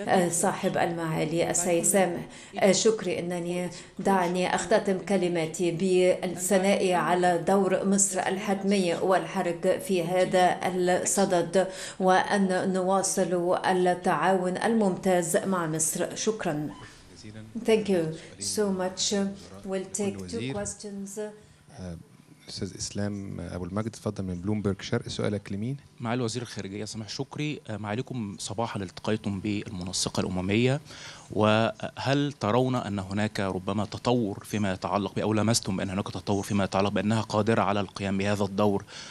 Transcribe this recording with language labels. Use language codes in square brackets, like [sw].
[ar] صاحب المعالي السيد سامح شكري، إنني دعني أختتم كلماتي بالثناء على دور مصر الحتمي والحرك في هذا الصدد، وأن نواصل التعاون الممتاز مع مصر. شكرا. [en] Thank you so much. We'll take two questions. [ar] استاذ اسلام ابو المجد، اتفضل من بلومبرج شرق. سؤالك لمين؟ معالي وزير الخارجيه سامح شكري، معاليكم صباحا التقيتم بالمنسقه الامميه، وهل ترون ان هناك ربما تطور فيما يتعلق او لمستم ان هناك تطور فيما يتعلق بانها قادره على القيام بهذا الدور